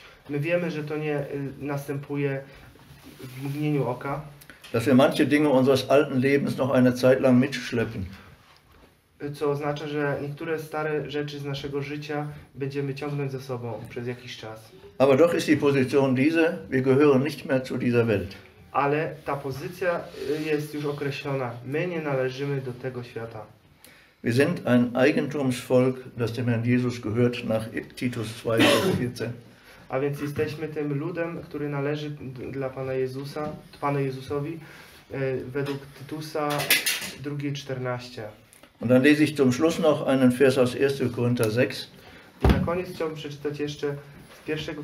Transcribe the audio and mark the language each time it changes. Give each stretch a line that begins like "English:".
Polish: My wiemy, że to nie następuje w mgnieniu oka.
German: Dass wir manche Dinge unseres alten Lebens noch eine Zeit lang mitschleppen.
Polish: Co oznacza, że niektóre stare rzeczy z naszego życia będziemy ciągnąć ze sobą przez jakiś czas.
German: Aber doch ist die Position diese, wir gehören nicht mehr zu dieser Welt.
Polish: Ale ta pozycja jest już określona. My nie należymy do tego świata.
German: Wir sind ein Eigentumsvolk, das dem Herrn Jesus gehört nach Titus 2, Vers 14.
Polish: A więc jesteśmy tym ludem, który należy dla Pana Jezusa, Panu Jezusowi, według Tytusa 2, 14.
German: Und dann lese ich zum Schluss noch einen Vers aus 1. Korinther 6.
Polish: I na koniec chciałbym przeczytać jeszcze z 1.